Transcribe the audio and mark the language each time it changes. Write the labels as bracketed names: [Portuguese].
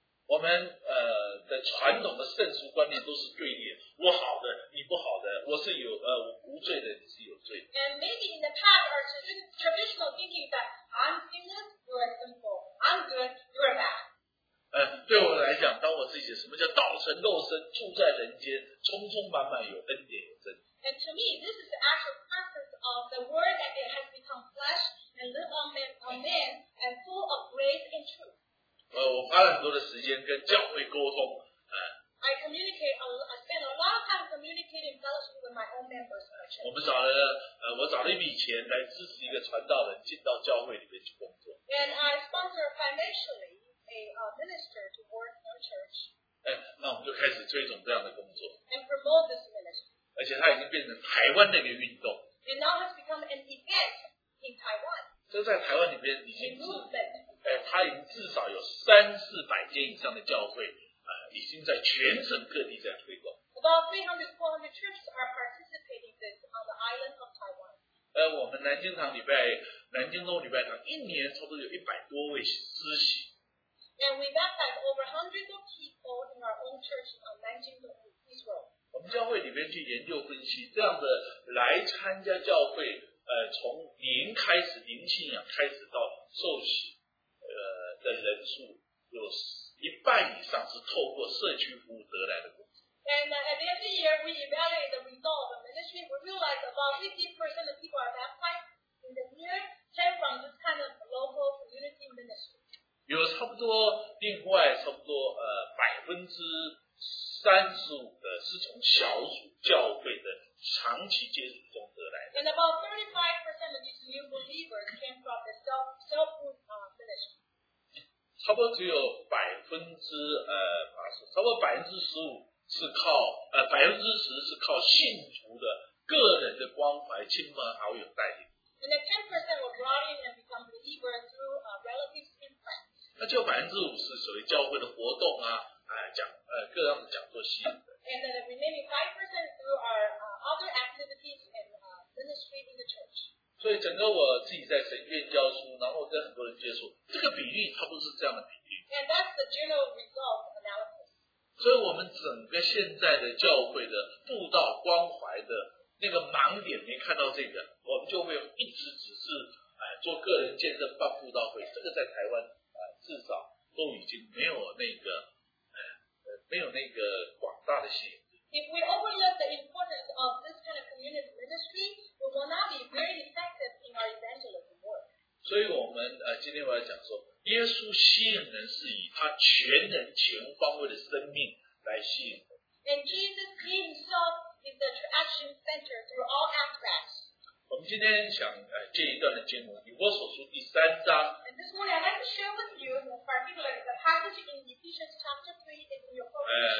[Chinese] 我们的传统的圣俗观念都是对立，我好的，你不好的，我是有我无罪的，你是有罪的。 [English] And maybe in the past, our traditional thinking that I'm sinless, you are sinful. I'm good, you are bad. [Chinese] 对我来讲，当我自己什么叫道成肉身，住在人间，充充满满有恩典有真理。 [English] And to me, this is the actual purpose of the word that it has become flesh and live on men and full of grace and truth. [Chinese] 我花了很多的时间跟教会沟通， [English] I communicate, I spend a lot of time communicating fellowship with my own members. [Chinese] 我找了一笔钱来支持一个传道人进到教会里面去工作。 [English] And I sponsor financially a minister to work in a church. [Chinese] 那我们就开始追踪这样的工作。 [English] And promote this ministry. [Chinese] 而且它已经变成台湾的一个运动。 [English] It now has become an event in Taiwan. [Chinese] 这在台湾里面已经是 movement. 它已经至少有三四百间以上的教会，已经在全省各地在推广。 [English] About 300, 400 churches are participating this on the island of Taiwan. [Chinese] 我们南京堂礼拜，南京东礼拜堂一年差不多有100多位施洗。 [English] And we baptize over hundreds of people in our own church on Nanjing Road, Israel. [Chinese] 我们教会里面去研究分析，这样的来参加教会，从零开始，零信仰开始到受洗，的人数有一半以上是透过社区服务得来的工作。 [English] And at the end of the year, we evaluate the result of ministry. We realize about 50% of people are baptized in the year came from this kind of local community ministry. [Chinese] 有差不多另外差不多35%的是从小组教会的长期接触中得来的。 [English] And about 35% of these new believers came from the self-group ministry. [Chinese] 差不多只有15%是靠10%是靠信徒的个人的关怀亲朋好友带领。 [English] And then 10% were brought in and become believers through relatives and friends. [Chinese] 那就50%属于教会的活动啊，各样的讲座吸引的。 [English] And then the remaining 5% through our other activities and ministry in the church. [Chinese] 所以整个我自己在神学院教书，然后跟很多人接触，这个比例差不多是这样的比例。 [English] And that's the general result analysis. [Chinese] 所以我们整个现在的教会的布道关怀的那个盲点没看到这个，我们就会一直只是做个人见证办布道会，这个在台湾。至少都已经没有那个广大的吸引力。 [English] If we overlook the importance of this kind of community ministry, we will not be very effective in our evangelism work. [Chinese] 所以我们今天我要讲说，耶稣吸引人是以他全人全方位的生命来吸引人。 [English] And Jesus himself is the attraction center through all aspects. [Chinese] 我们今天想借一段的经文，以弗所书第三章。 [English] And this morning I'd like to share with you particularly the passage in Ephesians chapter 3 in your focus.